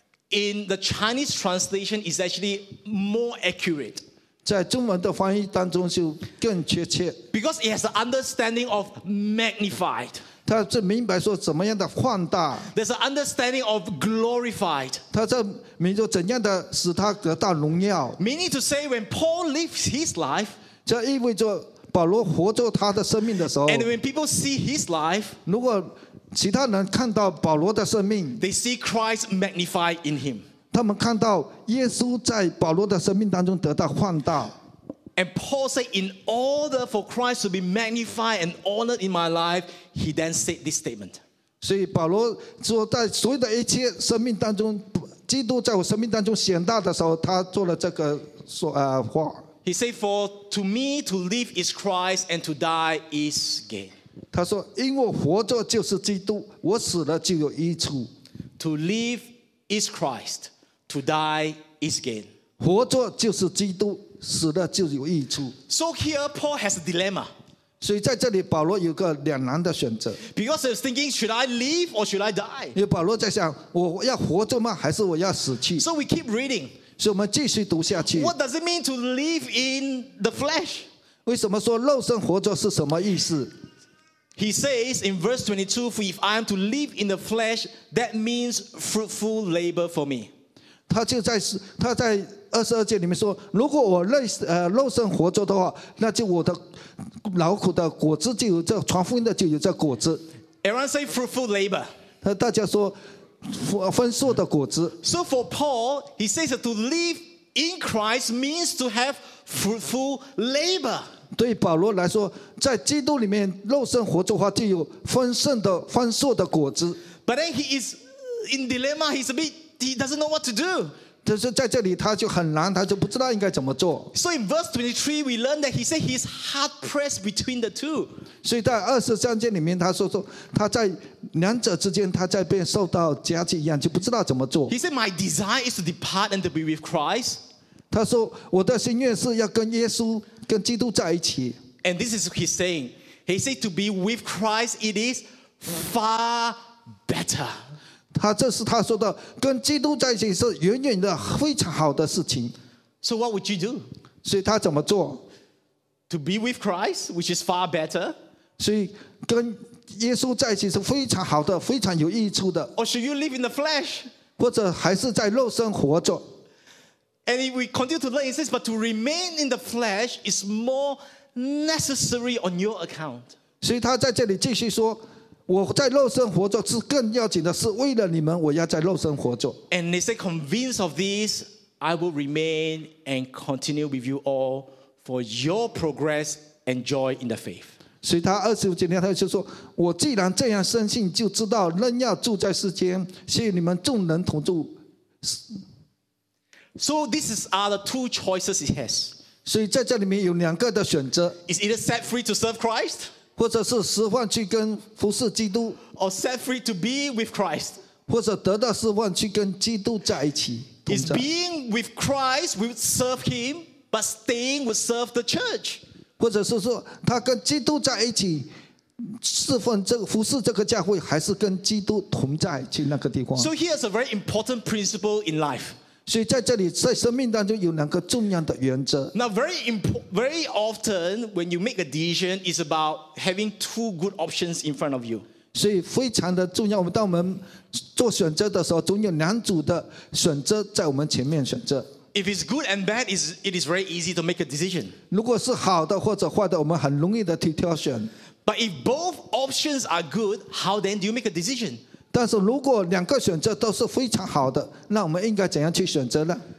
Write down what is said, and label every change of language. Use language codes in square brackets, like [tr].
[en] In the Chinese translation, is actually more accurate. [zh] 在中文的翻译当中就更确切 [en] Because it has an understanding of magnified [zh] 他这明白说怎么样的放大 [en] There's an understanding of glorified [zh] 他这明白怎样的使他得到荣耀 [en] Meaning to say when Paul lives his life [zh] 这意味着保罗活着他的生命的时候 [en] And when people see his life [zh] 如果其他人看到保罗的生命 [en] They see Christ magnified in him [zh] 他们看到耶稣在保罗的生命当中得到放大。 [en] And Paul said, in order for Christ to be magnified and honored in my life, he then said this statement. [zh] 所以保罗说，在所有的一切生命当中，基督在我生命当中显大的时候，他做了这个说话。 [en] He said, for to me to live is Christ and to die is gain. [zh] 他说，因我活着就是基督，我死了就有益处。 [en] To live is Christ. To die is gain. [zh] 活着就是基督，死了就有益处。 [en] So here Paul has a dilemma. [zh] 所以在这里保罗有个两难的选择。 [en] Because he was thinking, should I live or should I die? [zh] 因为保罗在想，我要活着吗？还是我要死去？ [en] So we keep reading. [zh] 所以我们继续读下去。 [en] What does it mean to live in the flesh? [zh] 为什么说肉身活着是什么意思？ [en] He says in verse 22, for if I am to live in the flesh, that means fruitful labor for me. [zh] 他在二十二节里面说，如果我肉身活着的话，那就我的劳苦的果子就有这传福音的就有这果子。 [en] Everyone say fruitful labor. [zh] 大家说丰硕的果子。 [en] So for Paul, he says that to live in Christ means to have fruitful labor. [zh] 对保罗来说，在基督里面肉身活着的话，就有丰盛的丰硕的果子。 [en] But then he is in dilemma. He's a bit. He doesn't know what to do. [zh] 但是在这里他就很难，他就不知道应该怎么做。 [en] So in verse 23, we learn that he said he's hard pressed between the two. [zh] 所以在二十三节里面，他说他在两者之间，他在被受到夹击一样，就不知道怎么做。 [en] He said, "My desire is to depart and to be with Christ." [zh] 他说我的心愿是要跟耶稣、跟基督在一起。 [en] And this is what he's saying. He said, "To be with Christ, it is far better." [zh] 他这是他说的，跟基督在一起是远远的非常好的事情。 [en] So what would you do? [zh] 所以他怎么做 [en] ？To be with Christ, which is far better. [zh] 所以跟耶稣在一起是非常好的，非常有益处的。 [en] Or should you live in the flesh? [zh] 或者还是在肉身活着 [en] ？And if we continue to learn, it says, but to remain in the flesh is more necessary on your account. [zh] 所以他在这里继续说。我在肉身活着是更要紧的是为了你们我要在肉身活着 [en] And they say convinced of this I will remain and continue with you all For your progress and joy in the faith [zh] 所以他二十五节他就说我既然这样深信就知道仍要住在世间所以你们众人同住 [en] So these are the two choices he has [zh] 所以在这里面有两个的选择 [en] Is either set free to serve Christ? [zh] 或者是释放去跟服侍基督 [en] or set free to be with Christ [zh] 或者得到释放去跟基督在一起 [en] is being with Christ will serve him but staying will serve the church [zh] 或者是说他跟基督在一起侍奉这个服侍这个教会，还是跟基督同在去那个地方。 [en] So here's a very important principle in life. [zh] 所以在这里，在生命当中有两个重要的原则。 [en] Now very often when you make a decision, it's about having two good options in front of you. [zh] 所以非常的重要。我们当我们做选择的时候，总有两组的选择在我们前面选择。 [en] If it's good and bad, it is very easy to make a decision. [zh] 如果是好的或者坏的，我们很容易的去挑选。 [en] But if both options are good, how then do you make a decision? [zh] 但是如果两个选择都是非常好的，那我们应该怎样去选择呢？